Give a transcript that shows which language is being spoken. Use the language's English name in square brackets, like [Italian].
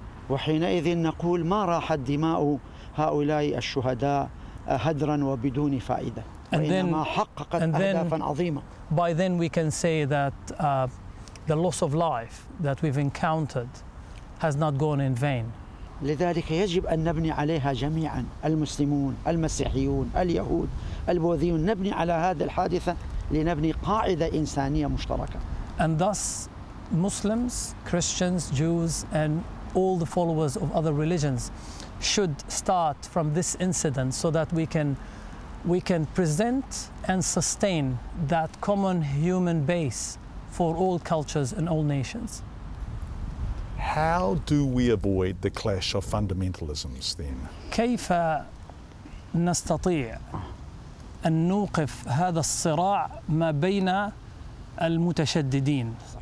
[Arabic] وَحِينَئِذٍ نَقُولُ مَا رَاحَ الدِّمَاءُ هَؤُلَاءِ الشُّهَدَاءِ هَدْرًا وَبِدُونِ فَائِدَةٍ. [English] And then we can say that the loss of life that we've encountered has not gone in vain. [Arabic] لذلك يجب أن نبني عليها جميعا المسلمون المسيحيون اليهود البوذيون نبني على هذه الحادثة لنبني قاعدة إنسانية مشتركة. [English] And thus, Muslims, Christians, Jews, and all the followers of other religions should start from this incident so that we can present and sustain that common human base for all cultures and all nations. How do we avoid the clash of fundamentalisms then? [Arabic] كيف نستطيع أن نوقف هذا الصراع ما بين المتشددين?